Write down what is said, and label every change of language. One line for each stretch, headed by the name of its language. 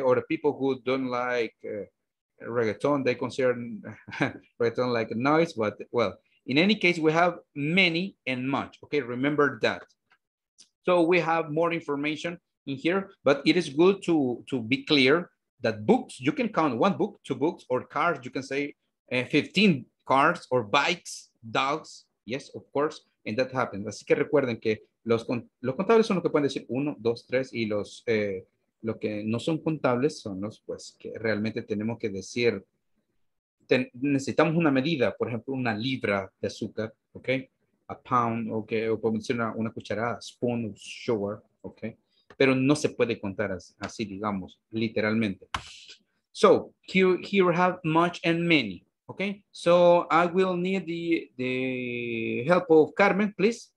English: Or the people who don't like reggaeton, they consider reggaeton like noise, but well, in any case, we have many and much, okay? Remember that. So we have more information in here, but it is good to be clear that books, you can count one book, two books, or cars, you can say 15 cars, or bikes, dogs, yes, of course, and that happens.
Spanish: Así que recuerden que los contables son los que pueden decir 1, 2, 3, y los que no son contables son los pues que realmente tenemos que decir, necesitamos una medida, por ejemplo, una libra de azúcar, ¿ok?
English: A pound,
Spanish: ¿ok? O podemos decir una cucharada, spoon, sugar, ¿ok? Pero no se puede contar así, digamos, literalmente.
English: So, here we have much and many, ¿ok? So, I will need the help of Carmen, please.